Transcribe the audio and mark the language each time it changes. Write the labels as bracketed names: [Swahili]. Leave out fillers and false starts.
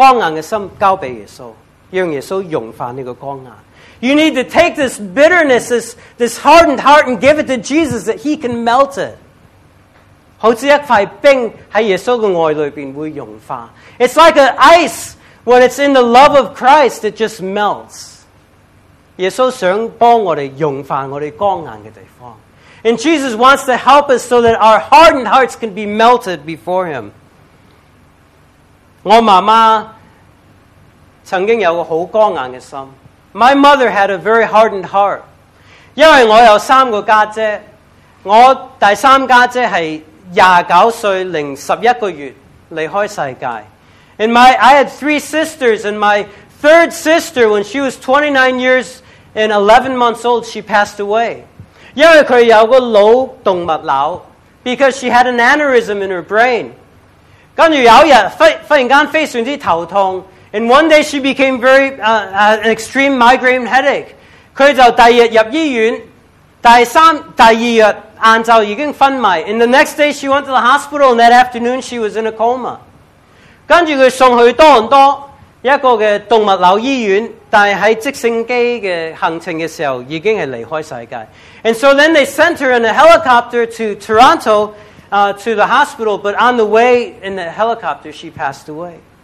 [Chinese] 你要将你的刚硬的心交给耶稣, 让耶稣融化你的刚硬. [English] You need to take this bitterness, this hardened heart, and give it to Jesus that He can melt it. [Chinese] 好像一块冰在耶稣的爱里面会融化. [English] It's like an ice when it's in the love of Christ, it just melts. [Chinese] 耶稣想帮我们融化我们刚硬的地方. [English] And Jesus wants to help us so that our hardened hearts can be melted before Him. [Chinese] 我妈妈曾经有个很刚硬的心. [English] My mother had a very hardened heart. [Chinese] 因为我有三个姐姐, 我第三姐姐是29岁零11个月离开世界. [English] And I had three sisters, and my third sister, when she was 29 years and 11 months old, she passed away. [Chinese] 因为她有个脑动脉瘤, [English] because she had an aneurysm in her brain. [Chinese] 然后有一天,忽然间非常之头痛, [English] and one day she became very an extreme migraine headache. [Chinese] 她就第二天入医院, 第二天下午已经昏迷. [English] And the next day she went to the hospital, and that afternoon she was in a coma. [Chinese] 然后她送去多伦多,一个动物瘤医院, 但是在直升机的行程的时候,已经离开世界. [English] And so then they sent her in a helicopter to Toronto, to the hospital, but on the way in the helicopter, she passed away.